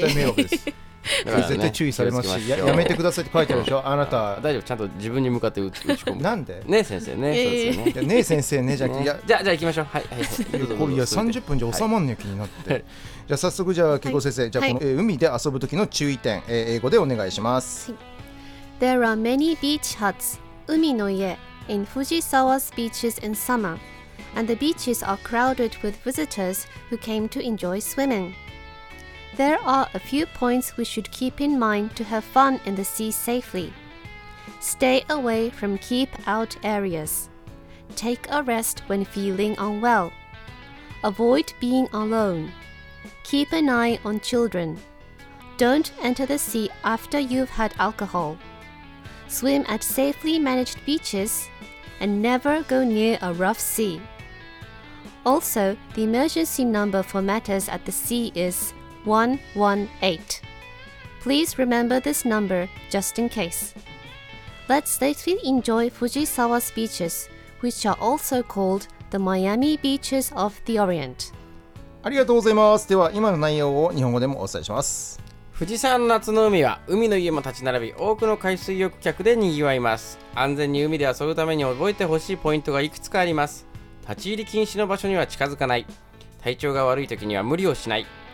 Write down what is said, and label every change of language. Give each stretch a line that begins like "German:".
Japanese: 絶対迷惑です、ね、絶対注意されますし、やめてくださいって書いてあるでしょ。あなた大丈夫、ちゃんと自分に向かって打ち込む。なんでね、先生ね、ね、先生ね、じゃあ、じゃあ行きましょう。はいはい、これ、いや30分じゃ収まんねえ、気になって、はい。じゃあ早速、じゃあ恵子先生、はい、じゃあこの、はい、海で遊ぶ時の注意点、英語でお願いします。
English: There are many beach huts 海の家 in Fujisawa's beaches in summer, and the beaches are crowded with visitors who came to enjoy swimming. There are a few points we should keep in mind to have fun in the sea safely. Stay away from keep out areas. Take a rest when feeling unwell. Avoid being aloneKeep an eye on children. Don't enter the sea after you've had alcohol. Swim at safely managed beaches and never go near a rough sea. Also, the emergency number for matters at the sea is 118. Please remember this number just in case. Let's safely enjoy Fujisawa's beaches, which are also called the Miami Beaches of the Orient.
Japanese: ありがとうございます。では今の内容を日本語でもお伝えします。富士山の夏の海は海の家も立ち並び、多くの海水浴客でにぎわいます。安全に海で遊ぶために覚えてほしいポイントがいくつかあります。立ち入り禁止の場所には近づかない。体調が悪い時には無理をしない。